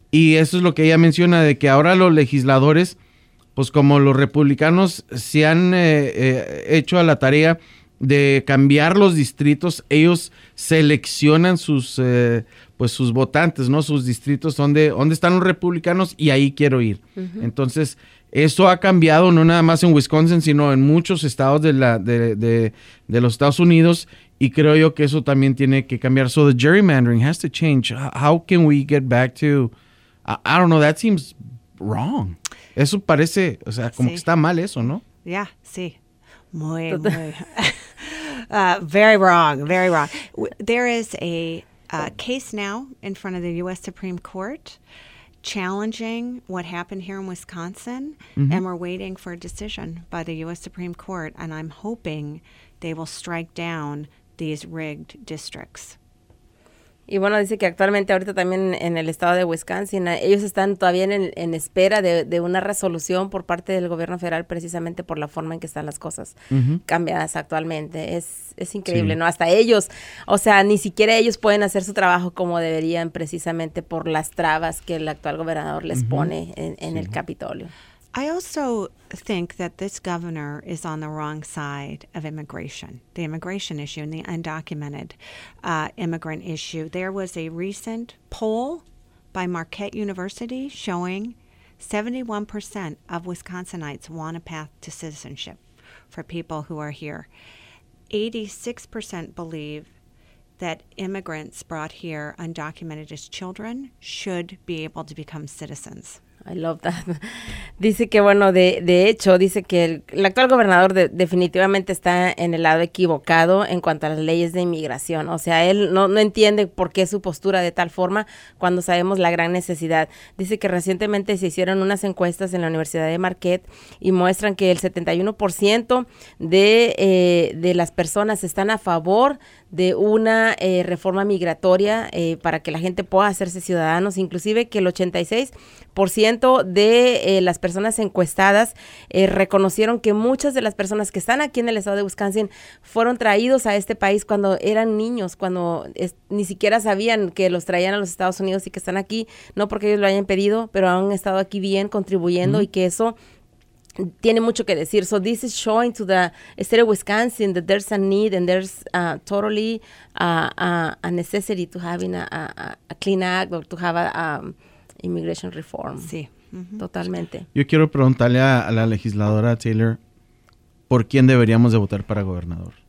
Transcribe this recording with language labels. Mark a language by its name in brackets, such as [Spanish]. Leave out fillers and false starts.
[Spanish] y eso es lo que ella menciona, de que ahora los legisladores, pues como los republicanos se han hecho a la tarea de cambiar los distritos, ellos seleccionan sus votantes, ¿no? Sus distritos, donde están los republicanos y ahí quiero ir. Uh-huh. Entonces, Esto ha cambiado no nada más en Wisconsin, sino en muchos estados de los Estados Unidos, y creo yo que eso también tiene que cambiar. [English] So the gerrymandering has to change. How can we get back to, I don't know, that seems wrong. [Spanish] Eso parece, o sea, como sí. que está mal eso, ¿no? [English] Yeah, [Spanish] sí. Muy, muy. [English] Very wrong, very wrong. There is a case now in front of the U.S. Supreme Court challenging what happened here in Wisconsin, mm-hmm. and we're waiting for a decision by the U.S. Supreme Court, and I'm hoping they will strike down these rigged districts. [Spanish] Y bueno, dice que actualmente ahorita también en el estado de Wisconsin, ellos están todavía en espera de una resolución por parte del gobierno federal precisamente por la forma en que están las cosas uh-huh. cambiadas actualmente. Es increíble, sí. ¿no? Hasta ellos, o sea, ni siquiera ellos pueden hacer su trabajo como deberían precisamente por las trabas que el actual gobernador les uh-huh. pone en sí. el Capitolio. [English] I also think that this governor is on the wrong side of immigration, the immigration issue and the undocumented immigrant issue. There was a recent poll by Marquette University showing 71% of Wisconsinites want a path to citizenship for people who are here. 86% believe that immigrants brought here undocumented as children should be able to become citizens. I love that. [Spanish] Dice que, bueno, de hecho, dice que el actual gobernador definitivamente está en el lado equivocado en cuanto a las leyes de inmigración. O sea, él no entiende por qué su postura de tal forma cuando sabemos la gran necesidad. Dice que recientemente se hicieron unas encuestas en la Universidad de Marquette y muestran que el 71% de las personas están a favor de una reforma migratoria para que la gente pueda hacerse ciudadanos, inclusive que el 86% de las personas encuestadas reconocieron que muchas de las personas que están aquí en el estado de Wisconsin fueron traídos a este país cuando eran niños, cuando ni siquiera sabían que los traían a los Estados Unidos y que están aquí, no porque ellos lo hayan pedido, pero han estado aquí bien contribuyendo mm-hmm. y que eso tiene mucho que decir. [English] So this is showing to the state of Wisconsin that there's a need and there's totally a necessity to having a clean act or to have a immigration reform. [Spanish] Sí, mm-hmm. totalmente. Yo quiero preguntarle a la legisladora Taylor por quién deberíamos de votar para gobernador.